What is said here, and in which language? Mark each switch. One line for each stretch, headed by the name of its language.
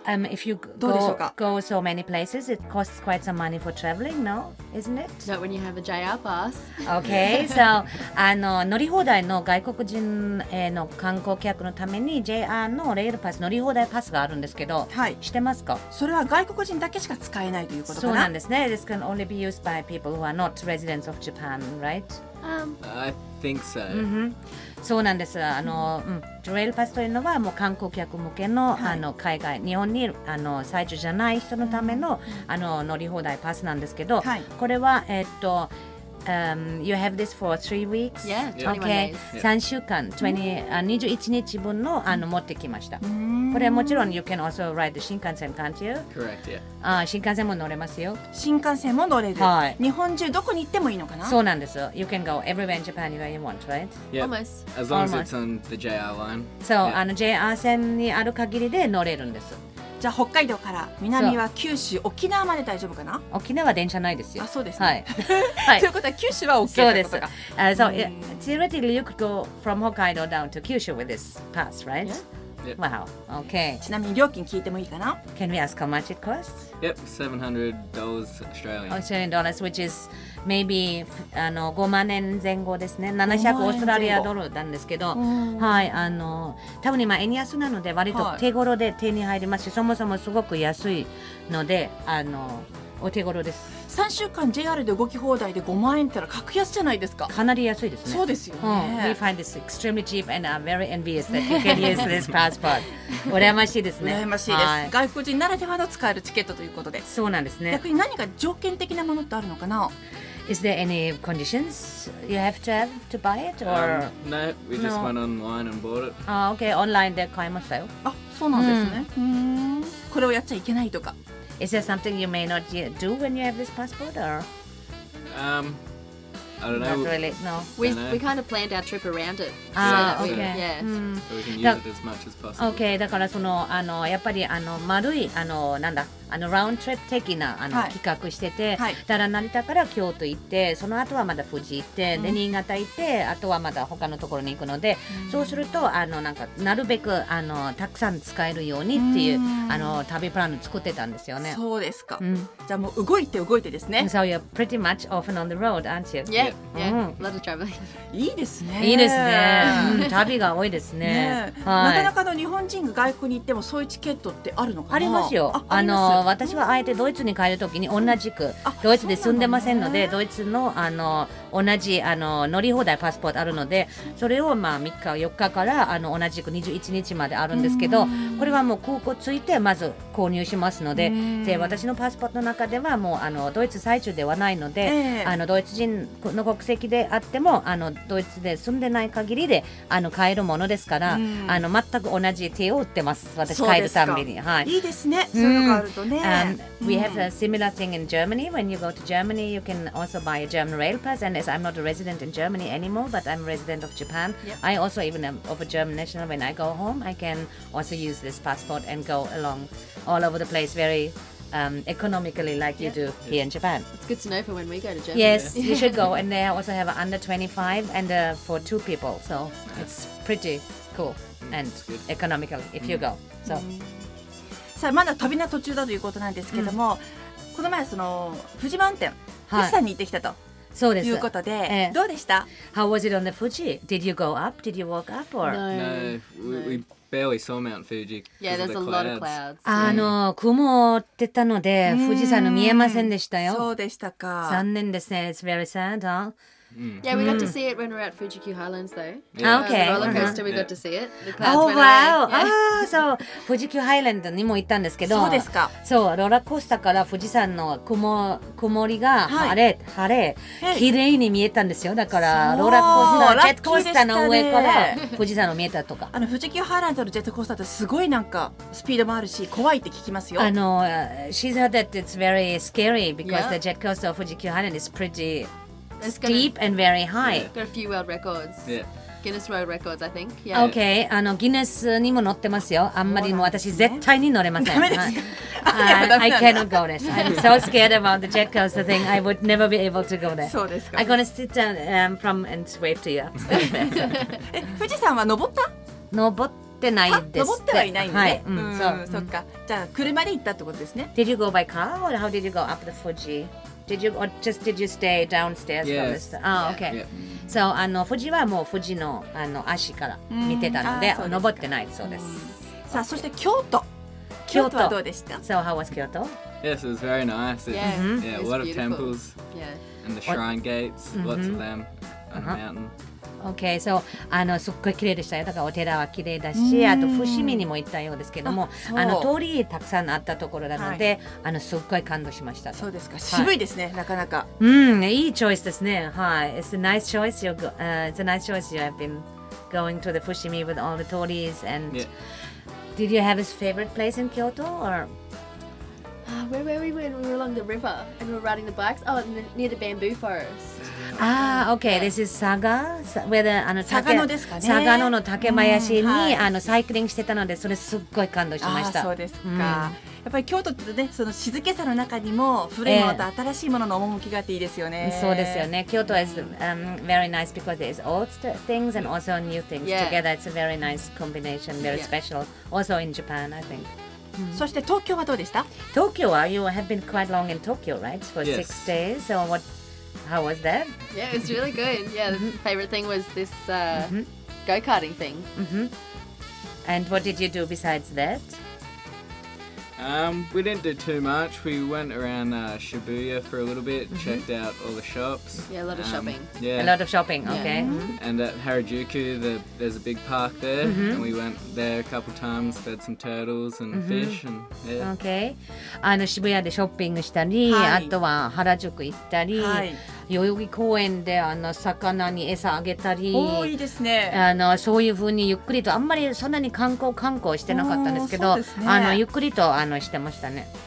English: If you go so many places, it costs quite some money for traveling, no? Isn't it? Not when you have a JR pass.
Japanese: Okay, so あの乗り放題の外国人への観光客のために JR のレールパス、乗り放題パスがあるんですけど、はい、してますか？それは外国人だけしか使えないということかな？そうなんですね。
English: This can only be used by people who are not residents of Japan, right? I think so.
Japanese: そうなんです。あの、トレイルパスというのはもう観光客向けの、あの海外、日本にあの在住じゃない人のための、あの乗り放題パスなんですけど、はい、これは、
English: You have this for 3 weeks? Yeah, 21 days.
Japanese: Okay, 3週間、21日分の、あの持ってきました。これはもちろん、
English: You can also ride the Shinkansen, can't you? Correct, yeah.
Japanese: 新幹線も乗れますよ。新幹線も乗れる。はい。日本中どこに行ってもいいのかな？そうなんです。
English: You can go everywhere in Japan where you want, right? Yeah, almost. As long as it's on the JR line.
Japanese: So,、あの JR 線にある限りで乗れるんです。じゃあ北海道から南は九州、沖縄まで大丈夫かな？沖縄は電車ないですよ。あ、そうですね。はい。ということは九州は OK ってことか。そうです。
English: So, theoretically, you could go from Hokkaido down to Kyushu with this pass, right? Yep. Wow. Okay.
Japanese: ちなみに料金聞いてもいいかな？
English: Can we ask how much it costs? Yep, $700 Australian. Australian dollars, which is maybe
Japanese: 5万円前後ですね。 700オーストラリアドルなんですけど、はい、あの多分今円安なので割と手頃で手に入りますし、そもそもすごく安いので、あのお手頃です。 3週間 JR で動き放題で5万円ってのは格安じゃないですか。かなり安いですね。そうですよね。
English: We find this extremely cheap and I'm very envious that you can use this passport.
Japanese: 羨ましいですね。羨ましいです、はい。外国人ならではの使えるチケットということで。そうなんですね。逆に何か条件的なものってあるのかな？
English: Is there any conditions you have to have to buy it? Or...、 no, we just went online and bought it.
Japanese: あ、okay, online で買いましたよ。あ、そうなんですね。これをやっちゃいけないとか。
English: Is there something you may not yet do when you have this passport, or? I don't know. Not really, no. We kind of planned our trip around it. Okay. So we can use it as much as possible.
Japanese: Okay, だからその、やっぱり、丸い、なんだ、round trip 的な、企画してて、はい、だから成田から京都行って、その後はまだ富士行って、で、新潟行って、あとはまだ他のところに行くので、そうすると、なんか、なるべく、たくさん使えるようにっていう、旅プランを作ってたんですよね。そうですか。うん、じゃあもう、動いて動いてですね。
English: So you're pretty much often on the road, aren't you? Yeah. Yeah, a lot of traveling.
Japanese: いいですね。いいですね。旅が多いですね。なかなかの日本人が外国に行ってもそういうチケットってあるのかな？ありますよ。私はあえてドイツに帰るときに同じく、ドイツで住んでませんので、ドイツの、同じ、乗り放題パスポートあるので、それをまあ3日、4日から同じく21日まであるんですけど、これはもう空港着いてまず購入しますので、で私のパスポートの中ではもうドイツ在住ではないので、ドイツ人の国籍であってもドイツで住んでない限りで買えるものですから、全く同じ手を打ってます、私帰るたびに、はい、いいですね、そういうのがあるとね。
English: We have a similar thing in Germany. When you go to Germany, you can also buy a German rail pass. And as I'm not a resident in Germany anymore, but I'm a resident of Japan, I also even am of a German national. When I go home, I can also use this passport and go along all over the place very economically like you do here in Japan. It's good to know for when we go to Germany. Yes, you should go. And they also have an under 25 and for two people. So it's pretty cool and economical if you go. So.
Japanese: さあまだ旅の途中だということなんですけども、この前その富士マウンテン、富士山に行ってきたと、そうです。いうことで、どうでした？
English: How was it on the Fuji? Did you go up? Did you walk up? Or? No, we barely saw Mount Fuji. Yeah, there's a lot of clouds.
Japanese: あの雲を覆ってたので富士山の見えませんでしたよ。そうでしたか。残念ですね。
English: It's very sad, huh? Yeah, we got to see it when we were at Fuji Q Highlands, though. Yeah. Okay. The roller coaster, we got to see it.
Japanese: Oh, wow. So, Fuji Q Highlands にも行ったんですけど、そうですか。そう、ローラーコースターから富士山の曇りが晴れ、綺麗に見えたんですよ。だから、ローラーコースター、ジェットコースターの上から富士山を見えたとか。あの、Fuji Q Highlands のジェットコースターってすごいなんか、スピードもあるし、怖いって聞きますよ。
English: あの、she's heard that it's very scary because the jet coaster of Fuji Q Highlands is pretty... steep and very high. Got a few world records. Guinness World Records, I think.
Japanese: Okay, あのギネスにも乗ってますよ。あんまりもう私絶対に乗れません。ダメですか?
English: I cannot go there. I'm so scared about the jet coaster thing. I would never be able to go there.
Japanese: そうですか。
English: I'm gonna sit down from and wave to you.
Japanese: 富士山は登った? 登ってないです。登ってはいないんで。はい。そっか。じゃあ車で行ったってことですね。
English: Did you go by car or how did you go up the Fuji? Did you or just did you stay downstairs? Yes. Oh, okay.
Japanese: So, あの富士はもう富士のあの足から見てたので、登ってないそうです。さあ、そして京都。京都はどうでした?
English: So, how was Kyoto? Yes, it was very nice. It's, yeah, a lot of temples. Yeah. And the shrine gates, lots of them, and a mountain.
Japanese: Okay, so, あのすっごい綺麗でしたよ。だからお寺は綺麗だし、あと伏見にも行ったようですけども、あの通りたくさんあったところなので、あのすっごい感動しました。そうですか。渋いですね、なかなか。いいチョイスですね。はい。
English: It's a nice choice. You go, it's a nice choice. You have been going to the 伏見 with all the 通り and did you have a favorite place in Kyoto or? Where were we when we were along the river and we were riding the bikes? Oh, near the bamboo forest. Ah, okay. This is Saga. Where the, あの、
Japanese: Sagano ですかね。 Sagano の竹林に、あの、サイクリングしてたので、それすっごい感動しました。あ、そうですか。やっぱり京都ってね、その静けさの中にも古いものと新しいものの趣があっていいですよね。そうですよね。
English: 京都 is very nice because there's old things and also new things together. It's a very nice combination, very special. Also in Japan, I think.
Japanese: そして東京はどうでした?
English: Tokyo, you have been quite long in Tokyo, right? For six days. So what, how was that? Yeah, it was really good. Yeah, the favorite thing was this go-karting thing. And what did you do besides that? We didn't do too much. We went around Shibuya for a little bit, checked out all the shops. Yeah, a lot of shopping. Yeah. A lot of shopping, okay. And at Harajuku, there's a big park there. And we went there a couple times, fed some turtles and fish. And,
Japanese: okay. あの渋谷でショッピングしたり、あとは原宿行ったり、代々木公園であの魚に餌あげたり、おいいですね、あのそういう風にゆっくりと、あんまりそんなに観光してなかったんですけど、あのゆっくりとあのしてましたね、